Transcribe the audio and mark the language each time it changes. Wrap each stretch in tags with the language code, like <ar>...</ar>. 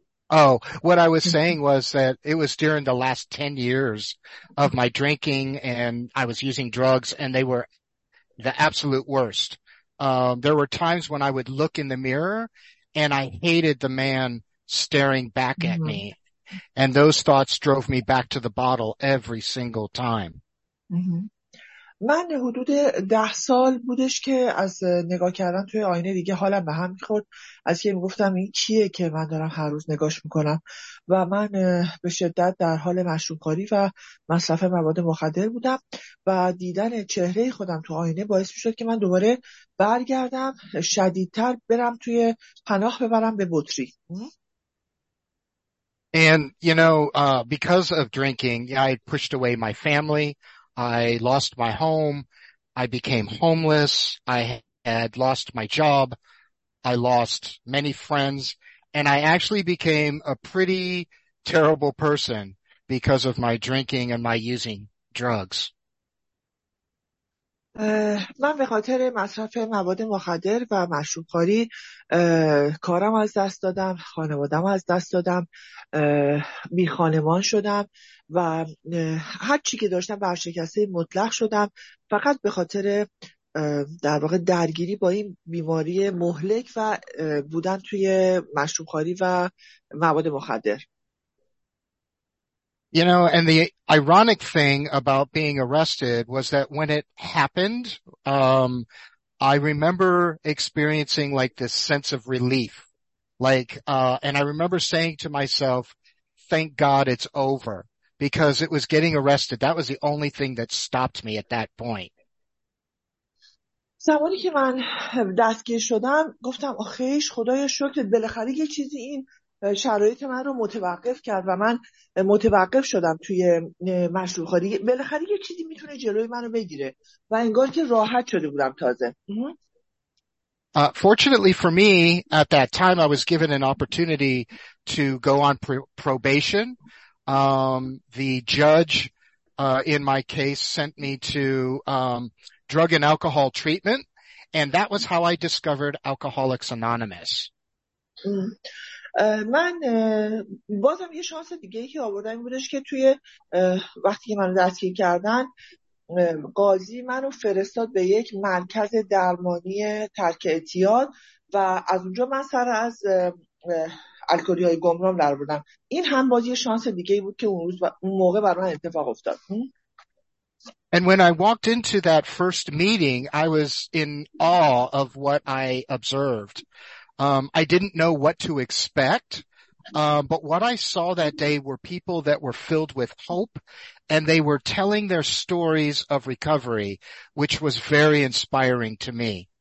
<en>Oh, what I was saying was that it was during the last 10 years of my drinking and I was using drugs and they were the absolute worst. There were times when I would look in the mirror and I hated the man staring back at me. And those thoughts drove me back to the bottle every single time.</en> <fa>من حدود 10 سال بودش که از نگاه کردن توی آینه دیگه حالم به هم میخورد، از که میگفتم این کیه که من دارم هر روز نگاش میکنم و من به شدت در حال مشروب‌خواری و مصرف مواد مخدر بودم و دیدن چهره خودم تو آینه باعث میشد که من دوباره برگردم شدیدتر برم توی پناه ببرم به بطری.</fa> <en>And you know, because of drinking, I pushed away my family. I lost my home, I became homeless, I had lost my job, I lost many friends, and I actually became a pretty terrible person because of my drinking and my using drugs.</en> <fa>من به خاطر مصرف مواد مخدر و مشروب‌خواری کارم از دست دادم، خانوادم از دست دادم، بی‌خانمان شدم و هر چی که داشتم ورشکسته مطلق شدم، فقط به خاطر در واقع درگیری با این بیماری مهلک و بودن توی مشروب‌خواری و مواد مخدر.</fa> <en>You know, and the ironic thing about being arrested was that when it happened, I remember experiencing like this sense of relief. Like, and I remember saying to myself, thank God it's over, because it was getting arrested. That was the only thing that stopped me at that point.</en> <fa>زمانی که من دستگیر شدم گفتم آخیش خدایا شکرت بالاخره یه چیزی این شرایط من رو متوقف کرد و من متوقف شدم توی مشروب خوری. بالاخره یه چیزی میتونه جلوی منو بگیره و انگار که راحت شده بودم تازه.</fa> <en>Fortunately for me, at that time, I was given an opportunity to go on probation. The judge in my case sent me to drug and alcohol treatment, and that was how I discovered Alcoholics Anonymous.</en> <fa>من بازم یه شانس دیگه ای که آوردم بودش که توی وقتی که منو دستگیر کردن قاضی منو فرستاد به یک مرکز درمانی ترک اعتیاد و از اونجا من سر از الکلی های گمنام در بودم. این هم باز یه شانس دیگه ای بود که اون موقع برای من اتفاق افتاد.</fa> <en>And when I walked into that first meeting, I was in awe of what I observed. I didn't know what to expect, but what I saw that day were people that were filled with hope, and they were telling their stories of recovery, which was very inspiring to me.</en>